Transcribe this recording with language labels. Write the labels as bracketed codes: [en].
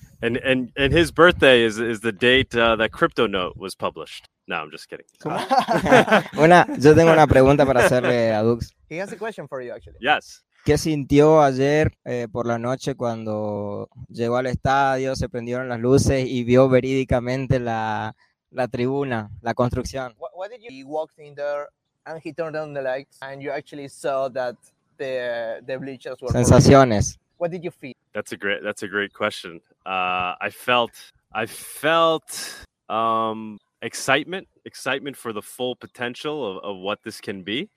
[en] And his birthday is the date that Crypto Note was published. No, I'm just kidding. [es] yo tengo una pregunta para hacerle a Dux. [en] He has a question for you, actually. Yes. [es] ¿Qué sintió ayer por la noche cuando llegó al estadio, se prendieron las luces y vio verídicamente la tribuna, la construcción? [en] What did you... He walked in there and he turned on the lights and you actually saw that the bleachers were. [es] Sensaciones. [en] Broken. What did you feel? That's a great question. I felt excitement for the full potential of what this can be.